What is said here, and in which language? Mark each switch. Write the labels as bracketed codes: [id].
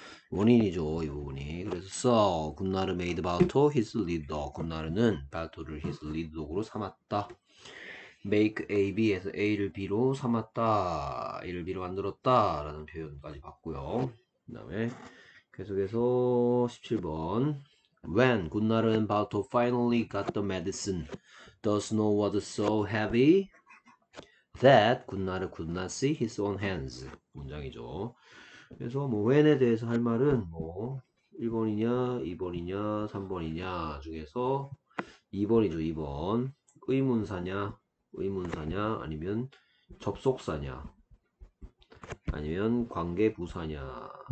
[ko] 원인이죠, 이 부분이. 그래서 [en] So, Gunnar made Bauto his lead dog. [ko] Gunnar는 Bauto를 [en] his lead dog [ko] 으로 삼았다. Make AB에서 A를 B로 삼았다. A를 B로 만들었다라는 표현까지 봤고요. 그다음에 계속해서 17번. [en] When Gunnar and Bauto finally got the medicine, the snow was so heavy that Gunnar could not see his own hands. [ko] 문장이죠. 그래서 뭐 when에 대해서 할 말은 뭐 1번이냐, 2번이냐, 3번이냐 중에서 2번이죠. 2번. 의문사냐, 의문사냐, 아니면 접속사냐, 아니면 관계부사냐.